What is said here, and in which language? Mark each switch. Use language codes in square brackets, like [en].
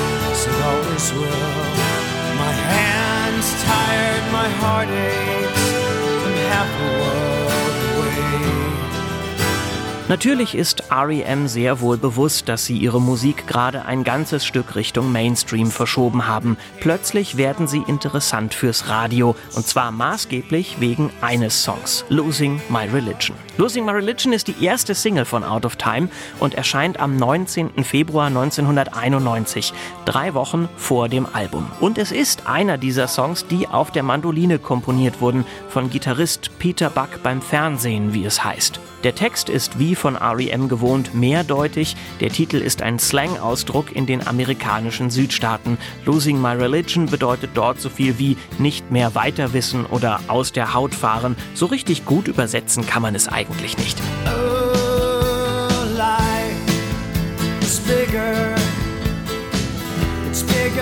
[en] As it always will, my hands tired, my heart aches, and half the world away. [de] Natürlich ist R.E.M. sehr wohl bewusst, dass sie ihre Musik gerade ein ganzes Stück Richtung Mainstream verschoben haben. Plötzlich werden sie interessant fürs Radio, und zwar maßgeblich wegen eines Songs, Losing My Religion. Losing My Religion ist die erste Single von Out of Time und erscheint am 19. Februar 1991, drei Wochen vor dem Album. Und es ist einer dieser Songs, die auf der Mandoline komponiert wurden, von Gitarrist Peter Buck beim Fernsehen, wie es heißt. Der Text ist wie von R.E.M. gewohnt mehrdeutig. Der Titel ist ein Slang-Ausdruck in den amerikanischen Südstaaten. Losing My Religion bedeutet dort so viel wie nicht mehr weiter wissen oder aus der Haut fahren. So richtig gut übersetzen kann man es eigentlich nicht. [en] Oh, life is bigger. It's bigger.